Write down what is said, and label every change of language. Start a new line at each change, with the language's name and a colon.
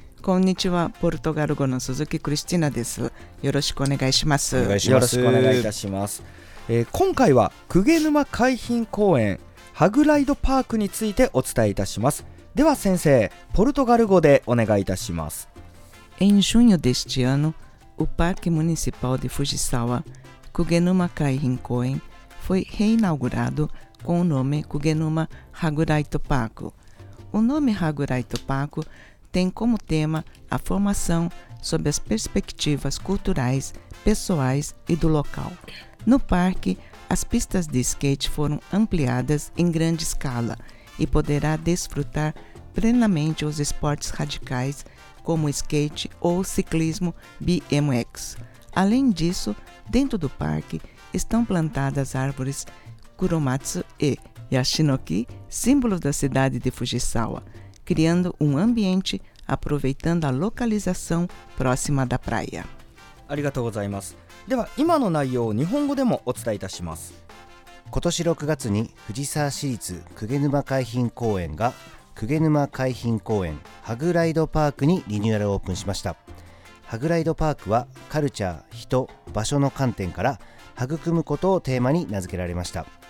Japanese: こんにちは、ポルトガル語の鈴木クリスチーナです。よろしくお願いします。よろしくお願いいたします。今回は鵠沼海浜公園ハグライドパークについてお伝えいたします。では先生、ポルトガル語でお願いいたします。
Portuguese: Em junho deste ano, o Parque Municipal de Fujisawa, Kugenuma Kaihin Koen, foi reinaugurado com o nome Kugenuma Haguraito Park. O nome Haguraito Park tem como tema a formação sobre as perspectivas culturais, pessoais e do local. No parque, as pistas de skate foram ampliadas em grande escala e poderá desfrutar plenamente os esportes radicais como skate ou ciclismo BMX. Além disso, dentro do parque estão plantadas árvores Kuromatsu e Yashinoki, símbolos da cidade de Fujisawa, criando um ambiente aproveitando a localização próxima da praia. Obrigado.
Japanese: では今の内容を日本語でもお伝えいたします。今年6月に藤沢市立鵠沼海浜公園が鵠沼海浜公園ハグライドパークにリニューアルオープンしました。ハグライドパークはカルチャー、人、場所の観点から育むことをテーマに名付けられました。